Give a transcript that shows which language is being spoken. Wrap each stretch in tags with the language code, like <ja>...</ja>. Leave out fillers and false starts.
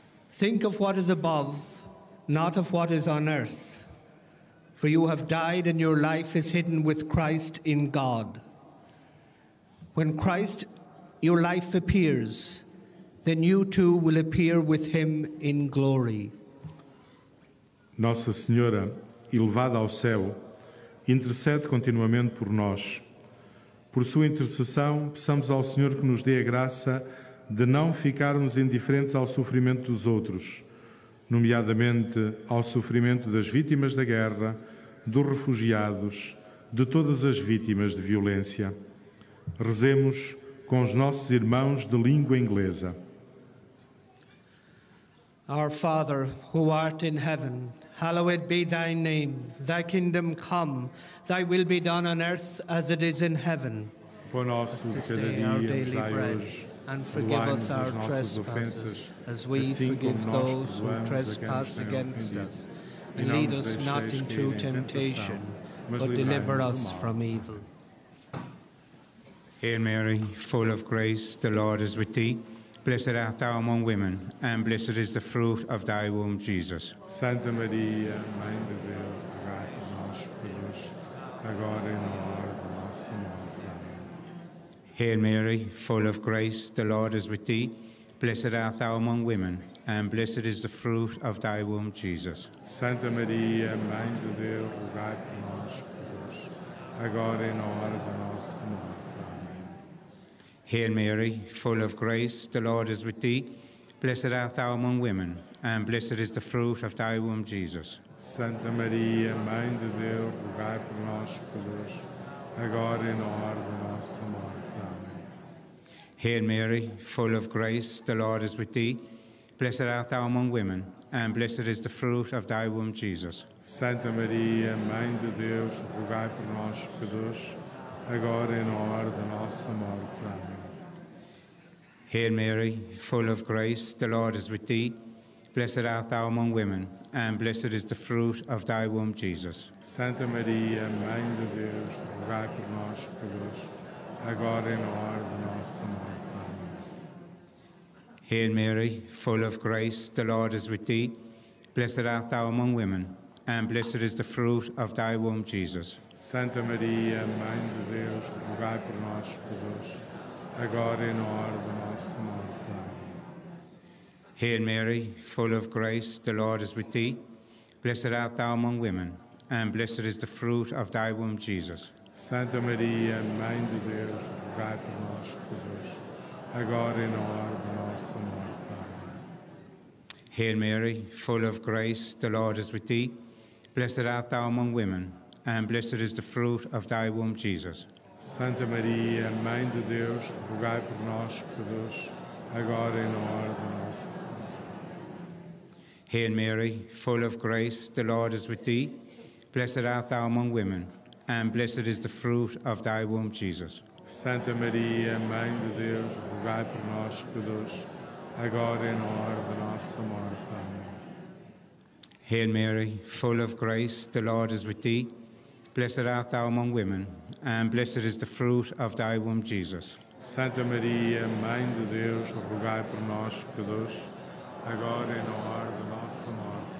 <en>Think of what is above, not of what is on earth. For you have died and your life is hidden with Christ in God. When Christ, your life appears, then you too will appear with him in glory.</en> <pt>Nossa Senhora, elevada ao céu, intercede continuamente por nós. Por sua intercessão, peçamos ao Senhor que nos dê a graça de não ficarmos indiferentes ao sofrimento dos outros, nomeadamente ao sofrimento das vítimas da guerra, dos refugiados, de todas as vítimas de violência. Rezemos com os nossos irmãos de língua inglesa.</pt> <en>Our Father, who art in heaven, hallowed be thy name. Thy kingdom come, thy will be done on earth as it is in heaven.</en> <pt>Pão nosso de cada dia nos dai hoje,</pt> <en>and forgive us our trespasses, as we forgive those who trespass against us. And lead us not into temptation, but deliver us from evil. Hail Mary, full of grace, the Lord is with thee. Blessed art thou among women, and blessed is the fruit of thy womb, Jesus.</en> <pt>Santa Maria, Mãe de Deus, rogai por nós, pecadores, agora e na hora da nossa morte. Amém.</pt> <en>Hail Mary, full of grace, the Lord is with thee. Blessed art thou among women, and blessed is the fruit of thy womb, Jesus.</en> <pt>Santa Maria, Mãe de Deus, rogai por nós, pecadores, agora e na hora da nossa morte.</pt> <en>Hail Mary, full of grace, the Lord is with thee. Blessed art thou among women, and blessed is the fruit of thy womb, Jesus.</en> <pt>Santa Maria, Mãe de Deus, rogai por nós, pecadores, agora e na hora da nossa morte. Amém.</pt> <en>Hail Mary, full of grace, the Lord is with thee. Blessed art thou among women, and blessed is the fruit of thy womb, Jesus.</en> <pt>Santa Maria, Mãe de Deus, rogai por nós, pecadores, agora e na hora da nossa morte. Amém.</pt> <en>Hail Mary, full of grace, the Lord is with thee. Blessed art thou among women, and blessed is the fruit of thy womb, Jesus.</en> <pt>Santa Maria, Mãe de Deus, rogai por nós, pecadores, agora e na hora da nossa morte. Amém.</pt> <en>Hail Mary, full of grace, the Lord is with thee. Blessed art thou among women, and blessed is the fruit of thy womb, Jesus.</en> <pt>Santa Maria, Mãe de Deus, rogai por nós, pecadores, agora e na hora da nossa morte. Amém.</pt> <en>Hail Mary, full of grace, the Lord is with thee. Blessed art thou among women, and blessed is the fruit of thy womb, Jesus.</en> <pt>Santa Maria, Mãe de Deus, rogai por nós, pecadores, agora e na hora da nossa morte. Amém.</pt> <en>Hail Mary, full of grace, the Lord is with thee. Blessed art thou among women, and blessed is the fruit of thy womb, Jesus.</en> <pt>Santa Maria, Mãe de Deus, rogai por nós, pecadores, agora e na hora da nossa morte.</pt> <en>Hail Mary, full of grace, the Lord is with thee. Blessed art thou among women, and blessed is the fruit of thy womb, Jesus.</en> <pt>Santa Maria, Mãe de Deus, rogai por nós, pecadores, agora e na hora da nossa morte. Amém.</pt> <en>Hail Mary, full of grace, the Lord is with thee. Blessed art thou among women, and blessed is the fruit of thy womb, Jesus.</en> <pt>Santa Maria, Mãe de Deus, rogai por nós, pecadores, agora e na hora da nossa morte.</pt>